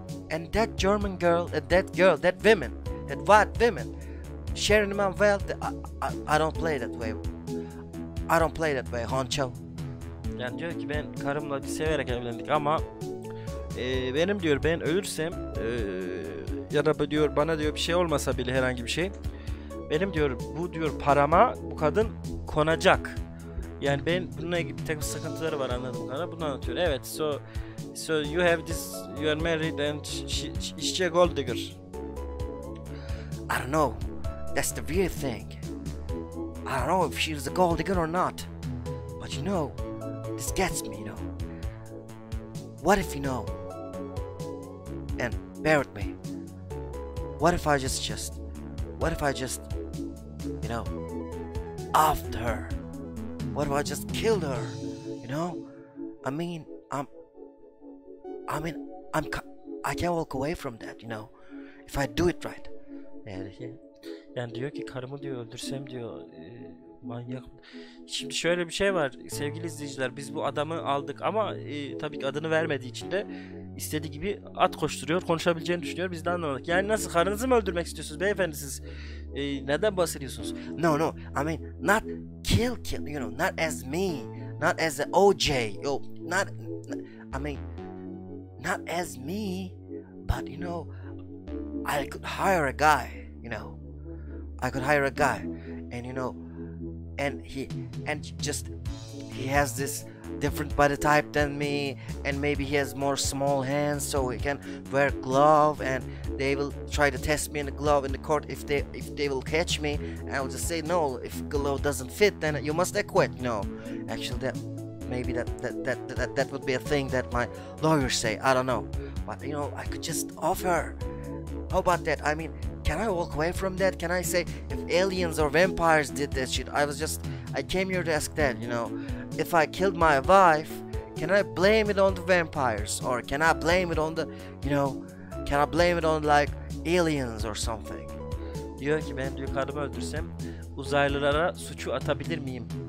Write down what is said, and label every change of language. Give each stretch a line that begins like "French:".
English: And that German girl, that white woman, sharing my wealth. I don't play that way. I don't play that way, honcho.
Turkish: Yani diyor ki ben karımla bir severek evlendik ama benim diyor ben ölürsem ya da diyor bana diyor bir şey olmasa bile herhangi bir şey. Benim diyor bu diyor parama bu kadın konacak. Yani ben bununla ilgili bir takım sıkıntıları var anladım kadar. Bunu anlatıyor.
English: Evet so you have this, you are married and she's a gold digger. I don't know. That's the weird thing. I don't know if she's a gold digger or not. But you know, this gets me, you know. What if you know? And bear with me. What if I just, you know, offed her? What if I just killed her? You know? I can't walk away from that, you know? If I do it right.
Turkish: Yani diyor ki karımı diyor öldürsem diyor manyak. Şimdi şöyle bir şey var sevgili izleyiciler, biz bu adamı aldık ama tabii ki adını vermediği için de istediği gibi at koşturuyor, konuşabileceğini düşünüyor, biz de anlamadık. Yani nasıl, karınızı mı öldürmek istiyorsunuz beyefendi siz? Neden bahsediyorsunuz?
English: No, I mean not kill, you know, not as me, not as the OJ, yo, not, I mean, not as me, but you know, I could hire a guy, you know, I could hire a guy, and you know, he has this different body type than me, and maybe he has more small hands, so he can wear glove, and they will try to test me in the glove in the court. If they will catch me, I'll just say no. If glove doesn't fit, then you must acquit. No, actually, that would be a thing that my lawyers say. I don't know, but you know, I could just offer. How about that? I mean, can I walk away from that? Can I say if aliens or vampires did that shit? I came here to ask that, you know. If I killed my wife, can I blame it on the vampires? Or can I blame it on the, you know, can I blame it on like aliens or something?
Turkish: Diyor ki ben diyor karımı öldürsem uzaylılara suçu atabilir miyim?